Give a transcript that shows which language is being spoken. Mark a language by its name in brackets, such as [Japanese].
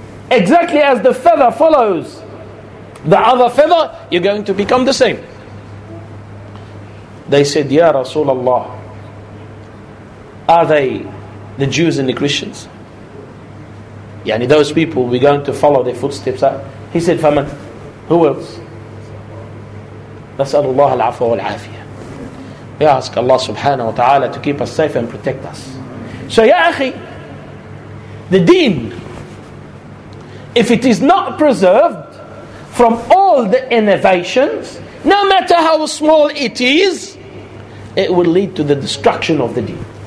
[English] Exactly as the feather follows the other feather, you're going to become the same. They said, Ya Rasulullah, are they the Jews and the Christians? Yani those people, we're going to follow their footsteps. He said, Faman, who else? [Arabic] نسأل الله العفو والعافية. [English] We ask Allah subhanahu wa ta'ala to keep us safe and protect us. So ya akhi, the deen, if it is not preserved from all the innovations, no matter how small it is, it will lead to the destruction of the deen.